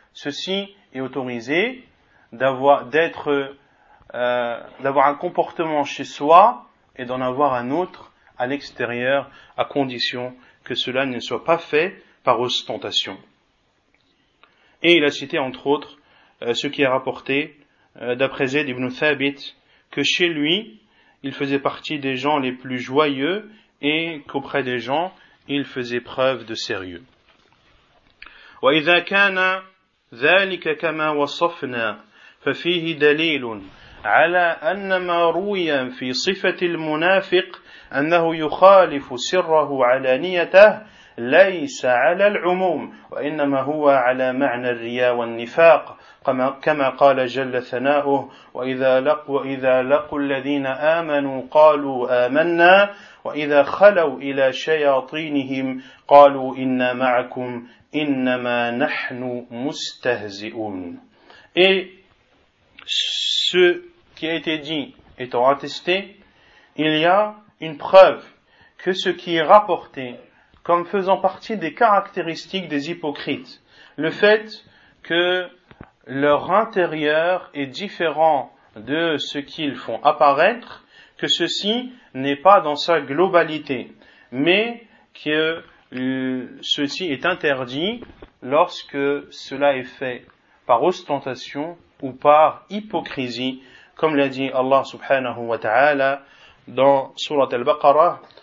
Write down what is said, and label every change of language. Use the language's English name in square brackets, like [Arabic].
[French] Ceci est autorisé d'avoir un comportement chez soi et d'en avoir un autre à l'extérieur, à condition que cela ne soit pas fait par ostentation. Et il a cité entre autres ce qui est rapporté d'après Zayd ibn Thabit, que chez lui, il faisait partie des gens les plus joyeux et qu'auprès des gens, il faisait preuve de sérieux. [Arabic] وَإِذَا كَانَ ذَلِكَ كَمَا وَصَفْنَا ففيه دليل على أن ما روي في صفة المنافق أنه يخالف سره علانيته ليس على العموم وإنما هو على معنى الرياء والنفاق كما قال جل ثناؤه وإذا لقوا الذين آمنوا قالوا آمنا وإذا خلوا إلى شياطينهم قالوا إنا معكم إنما نحن مستهزئون. [French] Ce qui a été dit étant attesté, il y a une preuve que ce qui est rapporté comme faisant partie des caractéristiques des hypocrites. Le fait que leur intérieur est différent de ce qu'ils font apparaître, que ceci n'est pas dans sa globalité, mais que ceci est interdit lorsque cela est fait par ostentation ou par hypocrisie, comme l'a dit Allah subhanahu wa ta'ala dans Surat al-Baqarah.